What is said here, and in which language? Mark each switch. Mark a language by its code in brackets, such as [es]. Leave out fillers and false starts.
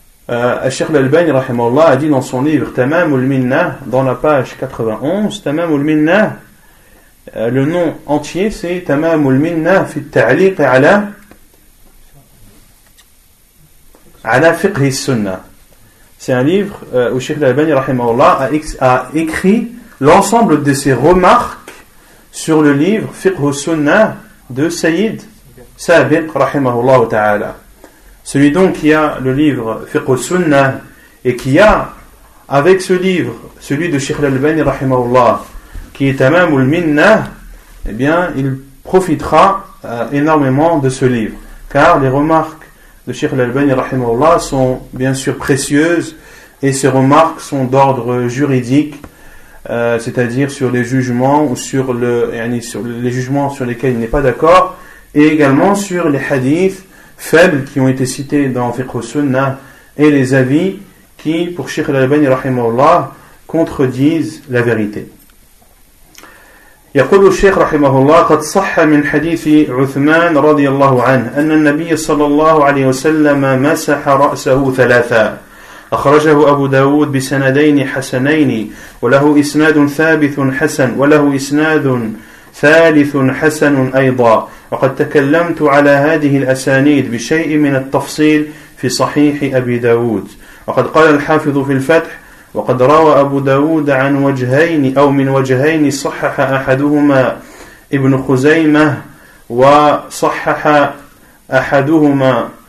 [ar] الشيخ الألباني رحمه الله قال في كتابه تمام المنة في الصفحة 91 تمام المنة. الاسم كامل هو تمام المنة في التعليق على فقه السنة. [fr] C'est un livre où الشيخ الألباني رحمه الله a écrit l'ensemble de ses remarques sur le livre فقه السنة de سيد Sabiq rahimahullah ta'ala. Celui donc qui a le livre Fiqh al-Sunnah et qui a avec ce livre celui de Cheikh al-Albani rahimahullah qui est Tamam al-Minnah, eh bien il profitera énormément de ce livre, car les remarques de Cheikh al-Albani rahimahullah sont bien sûr précieuses, et ces remarques sont d'ordre juridique, c'est-à-dire sur les jugements ou sur le yani sur les jugements sur lesquels il n'est pas d'accord, et également sur les hadiths faibles qui ont été cités dans Fiqh al-Sunnah et les avis qui, pour Cheikh al-Albani rahimahullah, contredisent la vérité. [ar] يقول الشيخ رحمه الله قد صح من حديث عثمان رضي الله عنه أن النبي صلى الله عليه وسلم مسح رأسه ثلاثا أخرجه أبو داود بسندين حسنين وله إسناد ثابت حسن وله إسناد ثالث حسن أيضا وقد تكلمت على هذه الأسانيد بشيء من التفصيل في صحيح أبي داود وقد قال الحافظ في الفتح وقد روى أبو داود عن وجهين أو من وجهين صحح أحدهما ابن خزيمة وصحح أحدهما